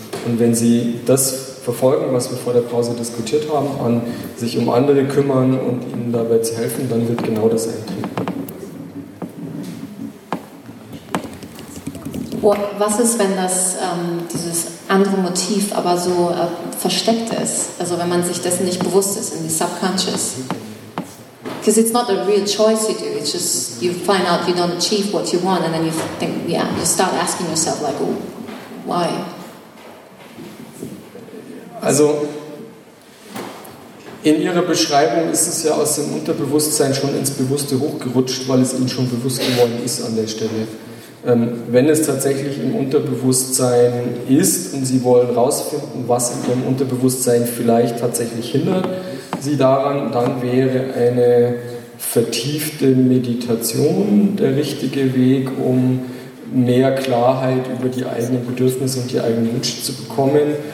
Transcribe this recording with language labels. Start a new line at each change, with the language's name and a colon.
German: Und wenn Sie das verfolgen, was wir vor der Pause diskutiert haben, an sich um andere kümmern und ihnen dabei zu helfen, dann wird genau das eintreten. Was ist, wenn das dieses andere Motiv aber so versteckt ist? Also wenn man sich dessen nicht bewusst ist, in die Subconscious?
English: Because it's not a real choice you do, it's just you find out you don't achieve what you want and then you think, yeah, you start asking yourself like, oh, why?
German: Also in Ihrer Beschreibung ist es ja aus dem Unterbewusstsein schon ins Bewusste hochgerutscht, weil es Ihnen schon bewusst geworden ist an der Stelle. Wenn es tatsächlich im Unterbewusstsein ist und Sie wollen rausfinden, was in Ihrem Unterbewusstsein vielleicht tatsächlich hindert Sie daran, dann wäre eine vertiefte Meditation der richtige Weg, um mehr Klarheit über die eigenen Bedürfnisse und die eigenen Wünsche zu bekommen.